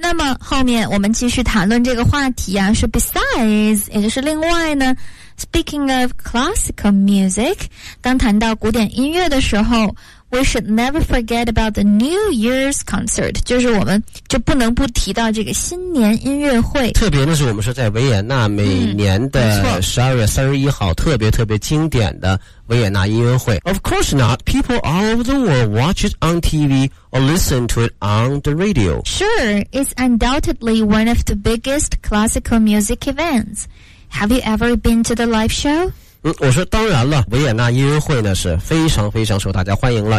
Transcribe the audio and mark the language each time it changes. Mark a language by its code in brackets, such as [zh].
[zh] 那么后面我们继续谈论这个话题啊，是 besides 也就是另外呢， [en] Speaking of classical music, [zh] 刚谈到古典音乐的时候 [en] we should never forget about the New Year's concert, [zh] 就是我们就不能不提到这个新年音乐会。特别的是我们说在维也纳每年的12月31号、特别特别经典的维也纳音乐会。 [en] Of course not, people all over the world watch it on TV or listen to it on the radio. Sure, it's undoubtedly one of the biggest classical music events. Have you ever been to the live show? [zh] 我说当然了，维也纳音乐会呢是非常非常受大家欢迎了。